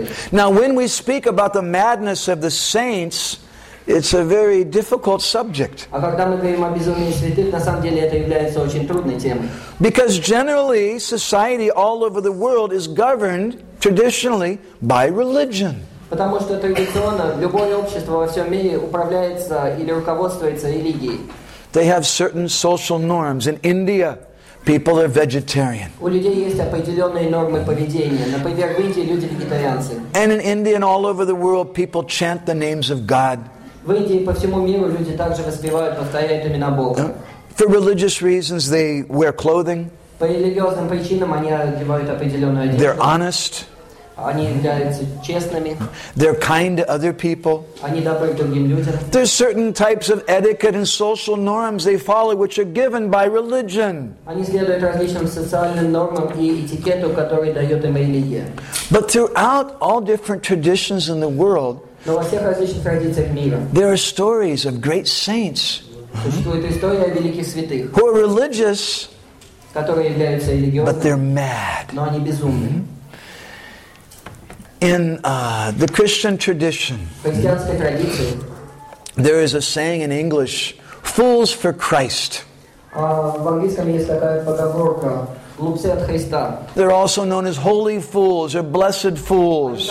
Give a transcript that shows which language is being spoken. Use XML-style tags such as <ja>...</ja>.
<en>Now, when we speak about the madness of the saints, it's a very difficult subject. Because generally, society all over the world is governed traditionally by religion.</en> <ru>Потому что традиционно любое общество во всем мире управляется или руководствуется религией.</ru> <en>They have certain social norms. In India, people are vegetarian.</en> <ru>У людей есть определенные нормы поведения. Например, в Индии люди вегетарианцы.</ru> <en>And in India and all over the world, people chant the names of God.</en> <ru>В Индии и по всему миру люди также воспевают, повторяют имена Бога.</ru> <en>For religious reasons, they wear clothing.</en> <ru>По религиозным причинам они одевают определенную одежду.</ru> <en>They're honest.</en> <ru>Они являются честными.</ru> <en>They're kind to other people.</en> <ru>Они добры к другим людям.</ru> <en>There's certain types of etiquette and social norms they follow, which are given by religion.</en> <ru>Они следуют различным социальным нормам и этикету, которые дает им религия.</ru> <en>But throughout all different traditions in the world,</en> <ru>но во всех различных традициях мира,</ru> <en>there are stories of great saints.</en> <ru>Существует история о великих святых.</ru> <en>Who are religious,</en> <ru>которые являются религиозными,</ru> <en>but they're mad.</en> <ru>Но они безумны.</ru> <en>In the Christian tradition, there is a saying in English, fools for Christ. They're also known as holy fools or blessed fools.</en>